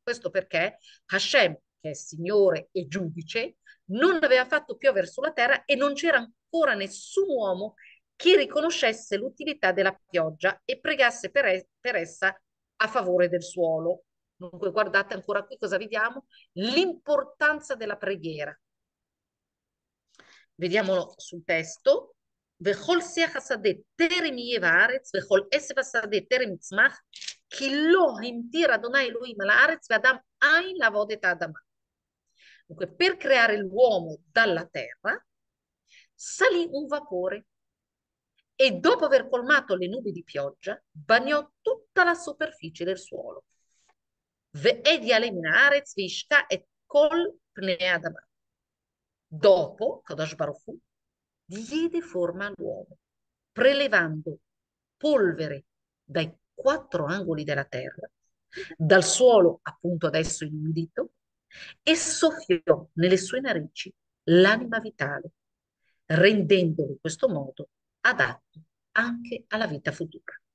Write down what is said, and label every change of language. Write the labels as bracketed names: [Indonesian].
[Italian] Questo perché Hashem, che è Signore e Giudice, non aveva fatto piovere sulla terra e non c'era ancora nessun uomo che riconoscesse l'utilità della pioggia e pregasse per essa a favore del suolo. Dunque, guardate ancora qui cosa vediamo? L'importanza della preghiera. Vediamolo sul testo. [Hebrew] וכל שיח השדה טרם יהיה בארץ, וכל עשב השדה טרם יצמח, כי לא המטיר אדוני אלוהים על הארץ, ואדם אין לעבוד את האדמה. [Italian] Dunque, per creare l'uomo dalla terra, salì un vapore, e dopo aver colmato le nubi di pioggia, bagnò tutta la superficie del suolo. [Hebrew] ואדי עלי מן הארץ, וישקע את כל פני האדמה. [Italian] Dopo, Kadosh Baruch Hu, diede forma all'uomo, prelevando polvere dai quattro angoli della terra dal suolo, appunto adesso inudito, e soffiò nelle sue narici l'anima vitale, rendendolo in questo modo adatto anche alla vita futura.